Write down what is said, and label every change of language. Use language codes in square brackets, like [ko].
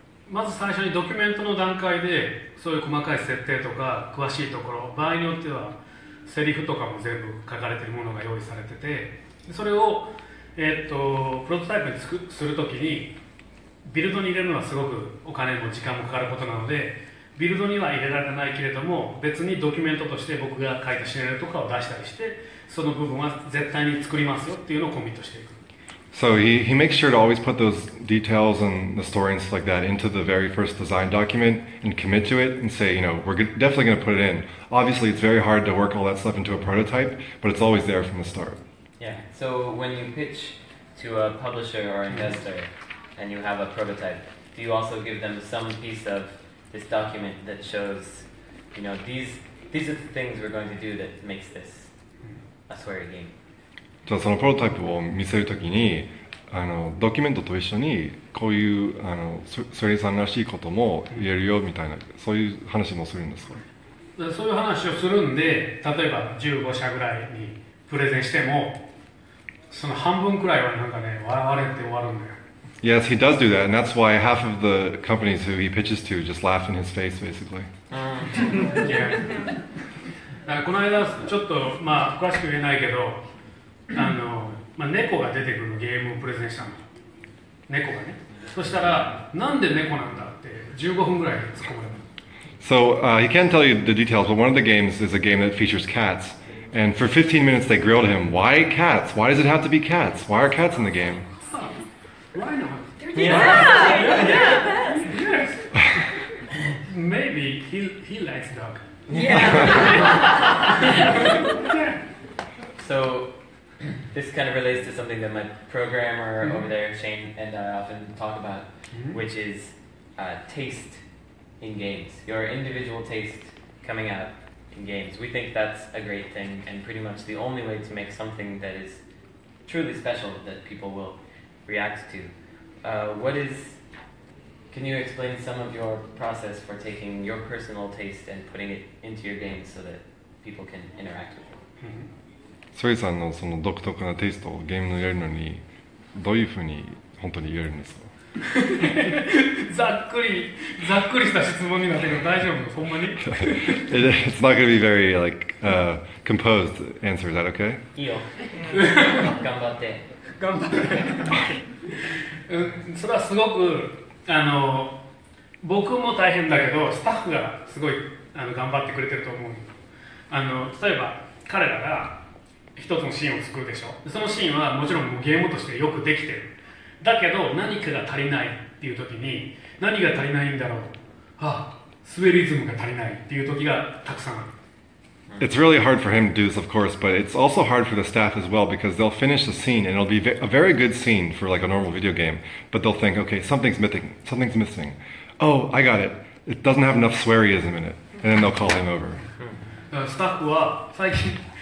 [ja] まず最初にドキュメントの段階でそういう細かい設定とか詳しいところ、場合によってはセリフとかも全部書かれているものが用意されてて、それをプロトタイプにするときにビルドに入れるのはすごくお金も時間もかかることなので、ビルドには入れられないけれども別にドキュメントとして僕が書いたシナリオとかを出したりして、その部分は絶対に作りますよっていうのをコミットしていく。 [en] So he makes sure to always put those details and the story and stuff like that into the very first design document and commit to it and say, you know, we're definitely going to put it in. Obviously, it's very hard to work all that stuff into a prototype, but it's always there from the start. Yeah, so when you pitch to a publisher or investor and you have a prototype, do you also give them some piece of this document that shows, you know, these are the things we're going to do that makes this a SWERY game? [ja] じゃあそのプロトタイプを見せるときに、ドキュメントと一緒にこういうSWERYさんらしいことも言えるよみたいな、そういう話もするんですか？そういう話をするんで、例えば15社ぐらいにプレゼンしても、その半分くらいはなんかね、笑われて終わるんだよ。 [en] Yes, he does do that, and that's why half of the companies who he pitches to just laugh in his face, basically. Yeah. [ja] この間、ちょっと、まあ、詳しく言えないけど、まあ、猫が出てくるのゲームをプレゼンしたの。猫がね。そしたら、なんで猫なんだって15分ぐらいで突っ込まれた。 [en] So, he can't tell you the details, but one of the games is a game that features cats. And for 15 minutes they grilled him, why cats? Why does it have to be cats? Why are cats in the game? Why not? Yeah. Yes. Maybe he likes dog. So... This kind of relates to something that my programmer over there, Shane, and I often talk about, which is taste in games. Your individual taste coming out in games. We think that's a great thing and pretty much the only way to make something that is truly special that people will react to. Can you explain some of your process for taking your personal taste and putting it into your games so that people can interact with it? [ja] SWERY さんのその独特なテイストをゲームに入れるのにどういうふうに本当に入れるんですか？ざっくりした質問になってるけど大丈夫？ほんまに？ [en] It's not gonna be very like composed answer. Is that okay? [ja] いいよ。頑張って。それはすごく僕も大変だけどスタッフがすごい頑張ってくれてると思う。例えば彼らが一つのシーンを作るでしょ。そのシーンはもちろんもうゲームとしてよくできてる。だけど何かが足りないっていう時に、何が足りないんだろう。スウェリズムが足りないっていう時がたくさんある。 [en] It's really hard for him to do this, of course, but it's also hard for the staff as well because they'll finish the scene and it'll be a very good scene for like a normal video game, but they'll think, okay, something's missing. Oh, I got it. It doesn't have enough sweryism in it, and then they'll call him over. [ja] スタッフは最近。